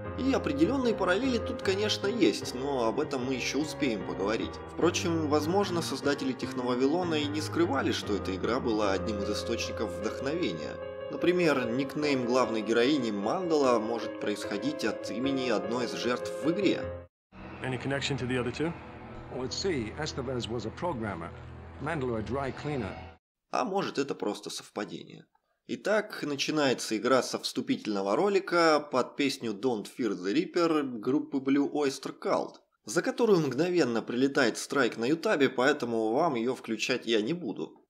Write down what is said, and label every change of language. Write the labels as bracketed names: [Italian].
[Russian] И определенные параллели тут, конечно, есть, но об этом мы еще успеем поговорить. Впрочем, возможно, создатели Техновавилона и не скрывали, что эта игра была одним из источников вдохновения. Например, никнейм главной героини Мандала может происходить от имени одной из жертв в игре. [English] Any connection to the other two? Let's see, Estevez was a programmer. Mandala a dry cleaner. [Russian] А может, это просто совпадение. Итак, начинается игра со вступительного ролика под песню Don't Fear the Reaper группы Blue Oyster Cult, за которую мгновенно прилетает страйк на Ютабе, поэтому вам ее включать я не буду.